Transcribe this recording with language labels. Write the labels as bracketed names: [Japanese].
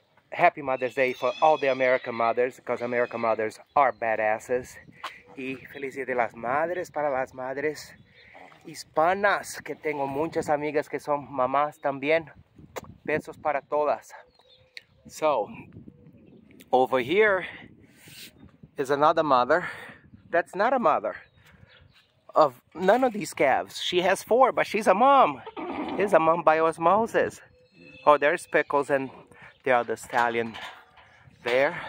[English] Happy Mother's Day for all the American mothers, because American mothers are badasses. [Spanish] E Feliz Dia de las Madres para las Madres Hispanas, que tengo muchas amigas que son mamás también. Besos para todas. [English] So, over here is another mother that's not a mother of none of these calves. She has four, but she's a mom. She's a mom by osmosis. Oh, there's Pickles and the other stallion there.